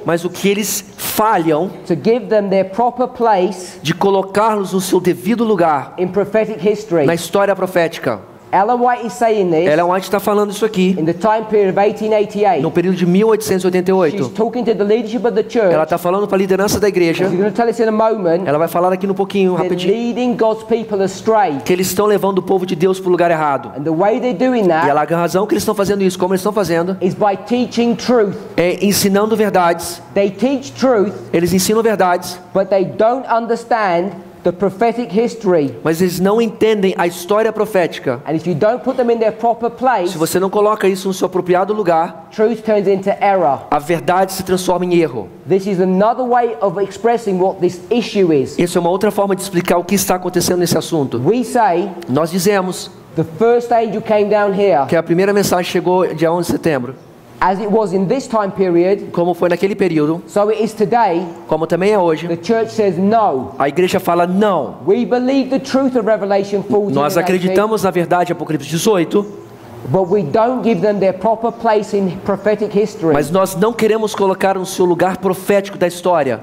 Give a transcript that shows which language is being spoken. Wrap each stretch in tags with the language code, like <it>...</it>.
<pt>Mas o que eles falham?</pt> <en>To give them their proper place.</en> <pt>De colocá-los no seu devido lugar</pt> <en>in prophetic history.</en> <pt>Na história profética.</pt> <en>Ellen White is saying this.</en> <pt>Ellen White está falando isso aqui.</pt> <en>In the time period of 1888.</en> <pt>No período de 1888.</pt> <en>She's talking to the leadership of the church.</en> <pt>Ela está falando para a liderança da igreja.</pt> <en>She's going to tell us in a moment.</en> <pt>Ela vai falar aqui no pouquinho, rapidinho.</pt> <en>They're leading God's people astray.</en> <pt>Que eles estão levando o povo de Deus para o lugar errado.</pt> <en>And the way they're doing that.</en> <pt>E a razão que eles estão fazendo isso, como eles estão fazendo?</pt> <en>Is by teaching truth.</en> <pt>É ensinando verdades.</pt> <en>They teach truth.</en> <pt>Eles ensinam verdades.</pt> <en>But they don't understand the prophetic history.</en> <pt>Mas eles não entendem a história profética.</pt> <en>And if you don't put them in their proper place,</en> <pt>se você não coloca isso no seu apropriado lugar,</pt> <en>truth turns into error.</en> <pt>A verdade se transforma em erro.</pt> <en>This is another way of expressing what this issue is.</en> <pt>Isso é uma outra forma de explicar o que está acontecendo nesse assunto.</pt> <en>We say,</en> <pt>nós dizemos,</pt> <en>the first angel came down here,</en> <pt>que a primeira mensagem chegou dia 11 de setembro.</pt> <en>As it was in this time period,</en> <pt>como foi naquele período,</pt> <en>so it is today,</en> <pt>como também é hoje.</pt> <en>The church says no.</en> <pt>A igreja fala não.</pt> <en>We believe the truth of Revelation 14.</en> <pt>Nós acreditamos na verdade Apocalipse 18.</pt> <en>But we don't give them their proper place in prophetic history.</en> <pt>Mas nós não queremos colocar no seu lugar profético da história.</pt>